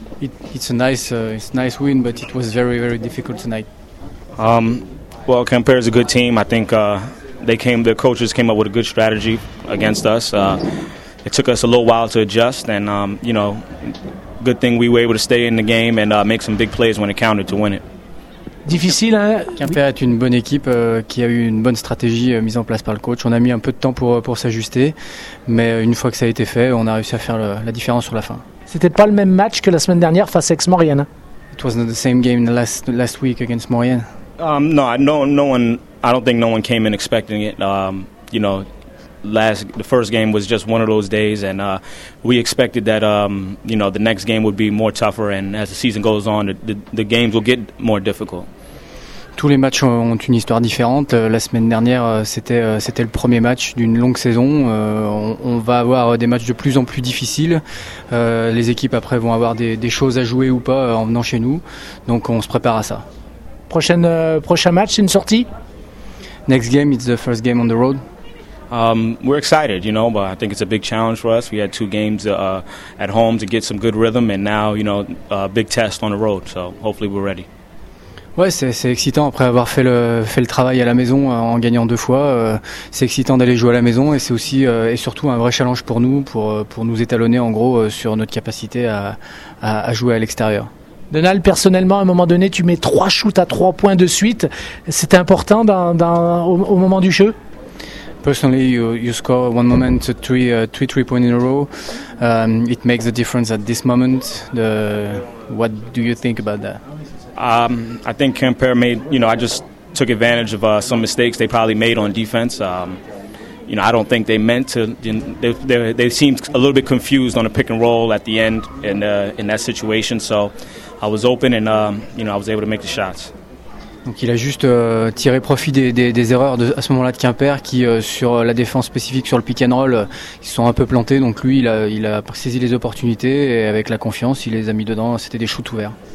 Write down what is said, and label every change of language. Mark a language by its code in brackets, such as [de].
[en] It's a nice win, but it was very, very difficult tonight. Well, Quimper is a good team. I think their coaches came up with a good strategy against us. It took us a little while to adjust, and good thing we were able to stay in the game and make some big plays when it counted to win it. [fr] Difficile, hein? Quimper est une bonne équipe qui a eu une bonne stratégie mise en place par le coach. On a mis un peu de temps pour s'ajuster, mais une fois que ça a été fait, on a réussi à faire la différence sur la fin. C'était pas le même match que la semaine dernière face à Ex-Morienne. [en] It was not the same game last week against Morienne. I don't think no one came in expecting it. The first game was just one of those days, and we expected that the next game would be more tougher. And as the season goes on, the games will get more difficult. [fr] Tous les matchs ont une histoire différente. La semaine dernière, c'était le premier match d'une longue saison. On va avoir des matchs de plus en plus difficiles. Les équipes après vont avoir des choses à jouer ou pas en venant chez nous. Donc on se prépare à ça. Prochain match, c'est une sortie. [en] Next game, it's the first game on the road. We're excited, but I think it's a big challenge for us. We had two games at home to get some good rhythm, and now, big test on the road. So hopefully we're ready. [fr] Ouais, c'est excitant après avoir fait le travail à la maison en gagnant deux fois. C'est excitant d'aller jouer à la maison, et c'est aussi et surtout un vrai challenge pour nous, pour nous étalonner en gros sur notre capacité à jouer à l'extérieur. Donald, personnellement, à un moment donné, tu mets trois shoots à trois points de suite. C'était important au moment du jeu. [en] Personally, you score one moment three points in a row. It makes a difference at this moment. What do you think about that? I think Quimper made. I just took advantage of some mistakes they probably made on defense. I don't think they meant to. They seemed a little bit confused on a pick and roll at the end and in that situation. So I was open and I was able to make the shots. [fr] Donc il a juste tiré profit des erreurs à ce moment-là de Quimper qui sur la défense spécifique sur le pick and roll ils sont un peu plantés, donc lui il a saisi les opportunités et avec la confiance il les a mis dedans. C'était des shoots ouverts.